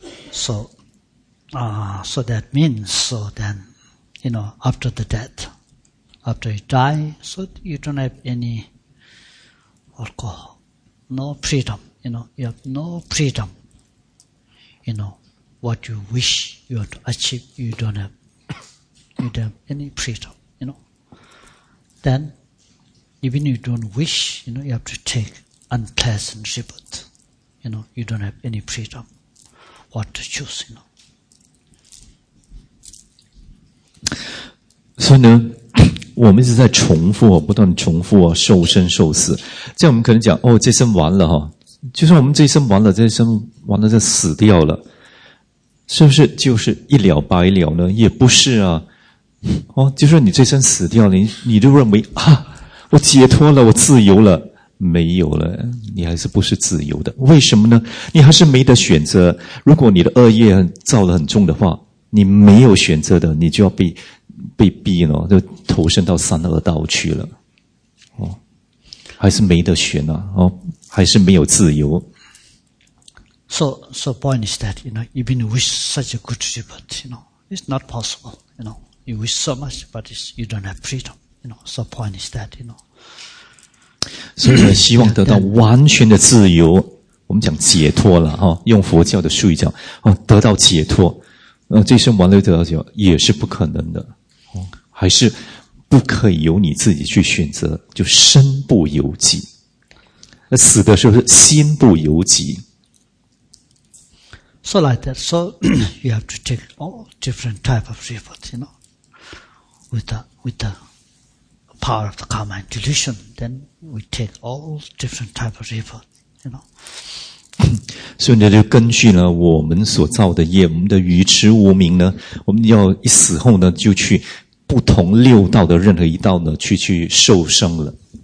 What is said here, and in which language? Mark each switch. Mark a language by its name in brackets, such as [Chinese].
[English] So that means, so then, you know, after the death, after you die, so you don't have any alcohol, no freedom, you know, you have no freedom, you know, what you wish you to achieve, you don't have any freedom. Then, even if you don't wish, you know, you have to take unpleasant rebirth. You know, you don't have any freedom what to choose, you know. [Chinese] 所以呢，我们一直在重复，不断重复，受生受死。这样我们可能讲，哦，这生完了哈，就算我们这生完了，这生完了就死掉了，是不是就是一了百了呢？也不是啊。哦，就是你这身死掉了，你就认为啊，我解脱了，我自由了，没有了，你还是不是自由的？为什么呢？你还是没得选择。如果你的恶业造得很重的话，你没有选择的，你就要被逼了，就投身到三恶道去了。哦，还是没得选啊！哦，还是没有自由。 [English] So point is that you know, even wish such a good thing, but you know, it's not possible, you know. You wish so much, but you don't have freedom. You know, so point is that, you know. [Chinese] 所以呢，希望得到完全的自由，我们讲解脱了哈，用佛教的术语讲，得到解脱，这生完了得到解脱也是不可能的，还是不可以由你自己去选择，就身不由己，死的时候是心不由己。 [English] So like that, so you have to take all different type of rebirth, you know. With the power of the karma and delusion, then we take all different type of rebirth, you know. [Chinese] 所以呢，就根据呢我们所造的业，我们的愚痴无明呢，我们要一死后呢，就去不同六道的任何一道呢，去受生了。